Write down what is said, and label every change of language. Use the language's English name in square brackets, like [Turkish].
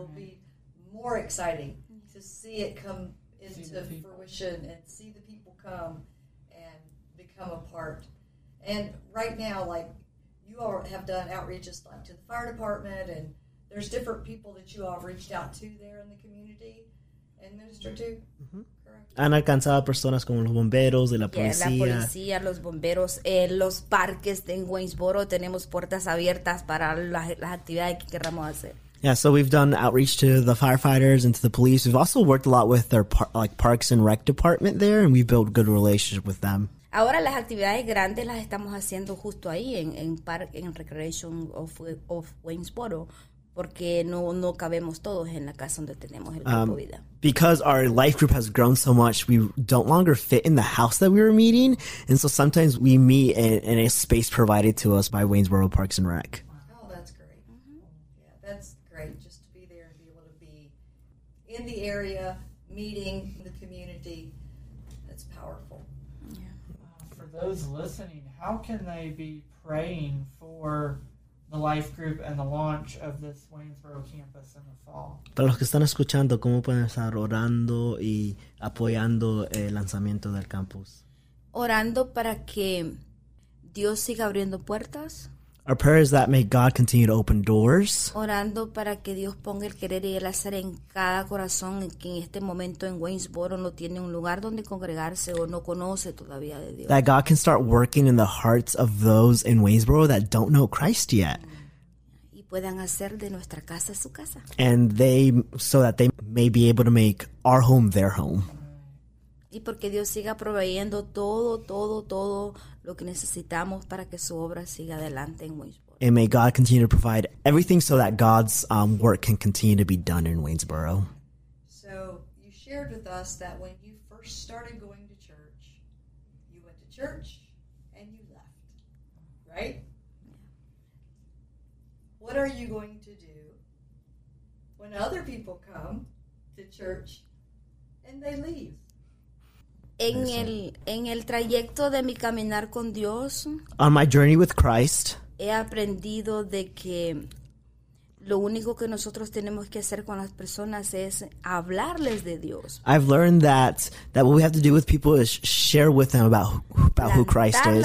[English] It will be more exciting to see it come into fruition and see the people come and become a part. And right now, like, you all have done outreaches like to the fire department, and there's different people that you all have reached out to there in the community and ministered to. Mm-hmm. [Spanish] Han alcanzado personas como los bomberos, de la policía. La policía, los bomberos, los parques en Waynesboro. Tenemos puertas abiertas para las actividades que queramos hacer. [English] Yeah, so we've done outreach to the firefighters and to the police. We've also worked a lot with their parks and rec department there, and we've built good relationship with them. [Spanish] Ahora las actividades grandes las estamos haciendo justo ahí, en Recreation of Waynesboro. Porque no cabemos todos en la casa donde tenemos el grupo vida. [English] Because our life group has grown so much, we don't longer fit in the house that we were meeting. And so sometimes we meet in a space provided to us by Waynesboro Parks and Rec. Oh, that's great. Mm-hmm. Yeah, that's great just to be there and be able to be in the area, meeting the community. That's powerful. Yeah. For those listening, how can they be praying for the life group and the launch of this Waynesboro campus in the fall? [Spanish] Para los que están escuchando, ¿cómo pueden estar orando y apoyando el lanzamiento del campus? Orando para que Dios siga abriendo puertas. [English] Our prayer is that may God continue to open doors. [Spanish] Orando para que Dios ponga el querer y el hacer en cada corazón que en este momento en Waynesboro no tiene un lugar donde congregarse o no conoce todavía de Dios. [English] That God can start working in the hearts of those in Waynesboro that don't know Christ yet. [Spanish] Y puedan hacer de nuestra casa su casa. [English] And they, so that they may be able to make our home their home. [Spanish] Y porque Dios siga proveyendo todo lo que necesitamos para que su obra siga adelante en Waynesboro. [English] And may God continue to provide everything so that God's work can continue to be done in Waynesboro. So you shared with us that when you first started going to church, you went to church and you left, right? What are you going to do when other people come to church and they leave? [Spanish] En el trayecto de mi caminar con Dios, [English] on my journey with Christ, [Spanish] he aprendido de que lo único que nosotros tenemos que hacer con las personas es hablarles de Dios. [English] I've learned that what we have to do with people is share with them about who Christ is,